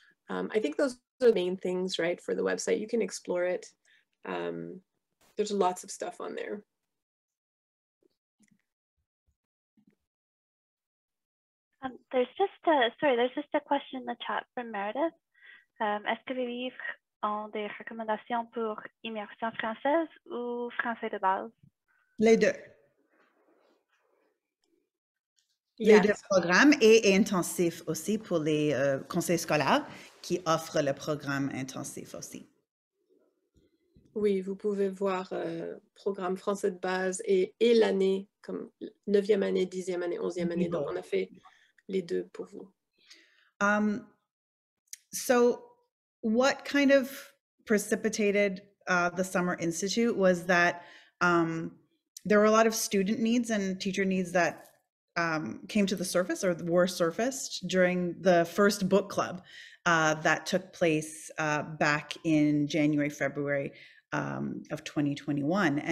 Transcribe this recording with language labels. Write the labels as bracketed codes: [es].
[en] I think those are the main things, right, for the website. You can explore it. There's lots of stuff on there. There's just a question in the chat from Meredith. [fr] Est-ce que vous vivez en des recommandations pour immersion française ou français de base? Les deux. Les deux programmes et intensifs aussi pour les conseils scolaires qui offrent le programme intensif aussi. Oui, vous pouvez voir programme français de base et l'année comme 9e année, 10e année, 11e année. Donc, on a fait les deux pour vous. [en] So, what kind of precipitated the Summer Institute was that there were a lot of student needs and teacher needs that came to the surface or were surfaced during the first book club that took place back in January, February of 2021.